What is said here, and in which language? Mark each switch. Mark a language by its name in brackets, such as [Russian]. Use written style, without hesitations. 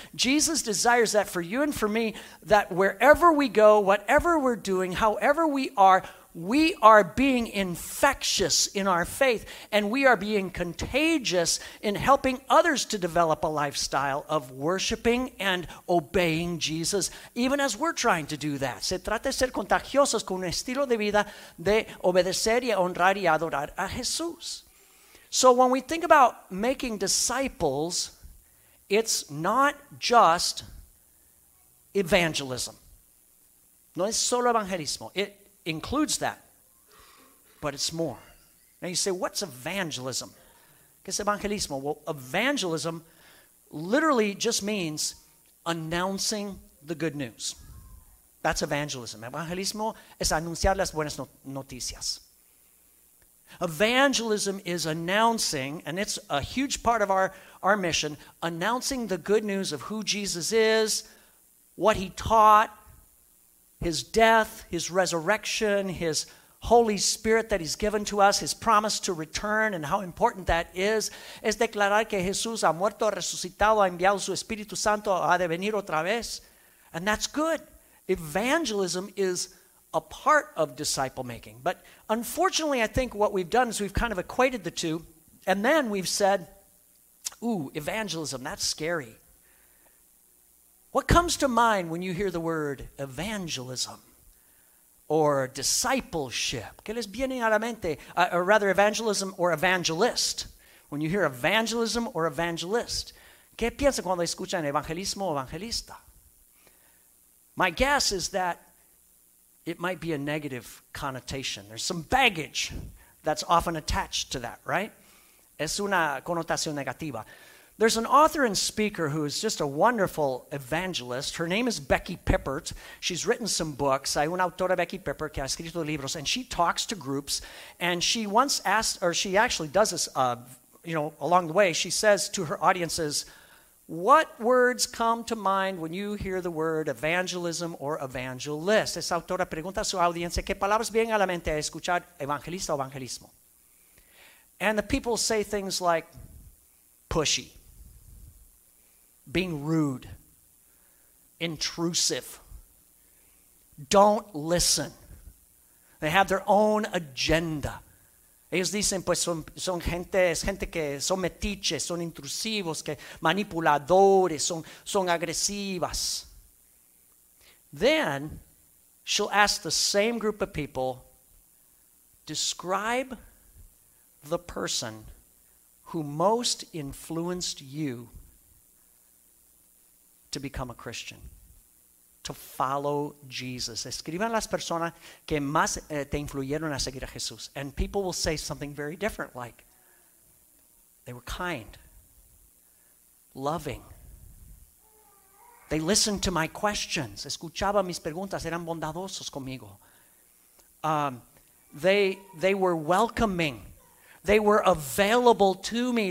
[English] Jesus desires that for you and for me, that wherever we go, whatever we're doing, however we are being infectious in our faith, and we are being contagious in helping others to develop a lifestyle of worshiping and obeying Jesus, even as we're trying to do that. [Spanish] Se trata de ser contagiosos con un estilo de vida de obedecer y honrar y adorar a Jesús. [English] So when we think about making disciples, it's not just evangelism. [Spanish] No es solo evangelismo. [English] It includes that, but it's more. Now you say, what's evangelism? [Spanish] ¿Qué es evangelismo? [English] Well, evangelism literally just means announcing the good news. That's evangelism. [Spanish] Evangelismo es anunciar las buenas noticias. [English] Evangelism is announcing, and it's a huge part of our mission, announcing the good news of who Jesus is, what he taught, his death, his resurrection, his Holy Spirit that he's given to us, his promise to return, and how important that is. [Spanish] Es declarar que Jesús ha muerto, resucitado, ha enviado su Espíritu Santo, ha de venir otra vez. [English] And that's good. Evangelism is a part of disciple making. But unfortunately, I think what we've done is we've kind of equated the two, and then we've said, ooh, evangelism, that's scary. What comes to mind when you hear the word evangelism or discipleship? [Spanish] ¿Qué les viene a la mente? [English] Or rather, evangelism or evangelist. When you hear evangelism or evangelist, [Spanish] ¿qué piensan cuando escuchan evangelismo o evangelista? [English] My guess is that it might be a negative connotation. There's some baggage that's often attached to that, right? [Spanish] Es una connotación negativa. [English] There's an author and speaker who is just a wonderful evangelist. Her name is Becky Pippert. She's written some books. [Spanish] Hay una autora, Becky Pippert, que ha escrito libros, [English] and she talks to groups, and she once asked, or she actually does this, along the way, she says to her audiences, what words come to mind when you hear the word evangelism or evangelist? [Spanish] Esa autora pregunta a su audiencia, ¿qué palabras vienen a la mente al escuchar evangelista o evangelismo? [English] And the people say things like pushy, being rude, intrusive, don't listen. They have their own agenda. [Spanish] Ellos dicen, pues son gente que son metiches, son intrusivos, que manipuladores, son agresivas. [English] Then she'll ask the same group of people, describe the person who most influenced you to become a Christian, to follow Jesus. [Spanish] Escriban las personas que más te influyeron a seguir a Jesús. [English] And people will say something very different, like they were kind, loving. They listened to my questions. [Spanish] Escuchaban mis preguntas. Eran bondadosos conmigo. [English] They were welcoming. They were available to me.